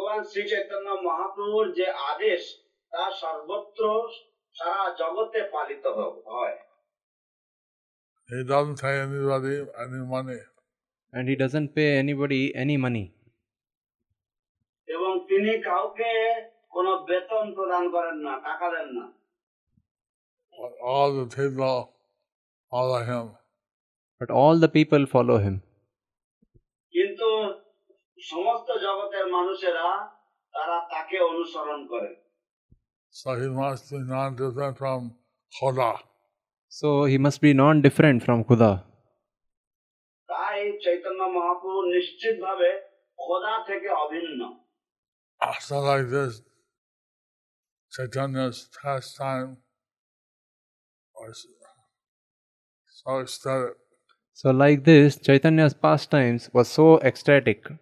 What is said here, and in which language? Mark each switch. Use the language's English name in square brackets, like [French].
[Bangla] শ্রী চৈতন্য মহাপ্রভুর যে আদেশ তা সর্বত্র সারা জগতে পালিত হয়। [English] He doesn't pay anybody any money. And he doesn't pay anybody any money. [Bangla] এবং তিনি কাউকে কোনো বেতন প্রদান করেন না, টাকা দেন না. [English] But all the people follow him. But all the people follow him. [Bangla] কিন্তু সমস্ত জগতের মানুষেরা তারা তাকে অনুসরণ করে. [English] So he must be non-different from Khuda. So he must be non-different from Khuda. [Bangla] তাই চৈতন্য মহাপ্রভু নিশ্চিতভাবে Khuda থেকে অভিন্ন. [English] So like this, Chaitanya's pastime was so ecstatic. So like this, Chaitanya's pastimes was so ecstatic.